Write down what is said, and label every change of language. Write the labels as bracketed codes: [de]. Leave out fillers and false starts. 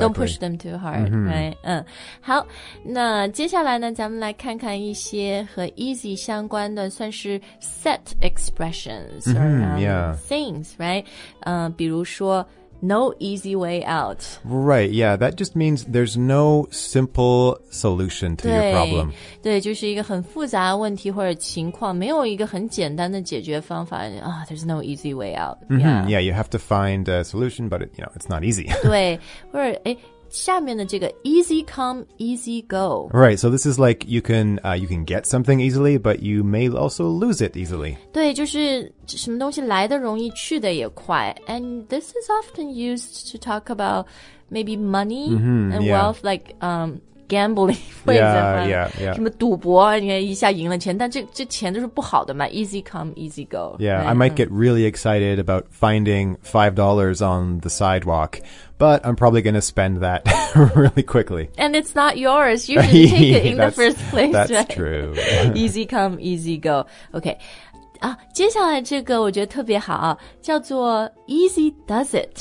[en] Don't push them too hard、 [zh] 好那接下来呢咱们来看看一些和 easy 相关的算是 [en] set expressions things, right、 [zh] 比如说 [en] No easy way out. Right, yeah, that just means there's no simple solution to your problem. [zh] 对，就是一个很复杂的问题或者情况，没有一个很简单的解决方法。 [en] There's no easy way out. Yeah, you have to find a solution, but you know, it's not easy. [zh] 对，或者下面的这个 easy come, easy go. [en] Right, so this is like you can get something easily, but you may also lose it easily. [zh] 对，就是什么东西来得容易，去得也快。 [en] And this is often used to talk about maybe money and wealth, like gambling. Yeah. [zh] 什么赌博，你看一下赢了钱，但这钱都是不好的嘛。 [en] Easy come, easy go. Yeah, I might get really excited about finding $5 on the sidewalk. But I'm probably going to spend that really quickly. And it's not yours. You should take it in the first place. That's、 right? true. easy come, easy go. Okay. [zh] 接下来这个我觉得特别好、叫做 easy does it.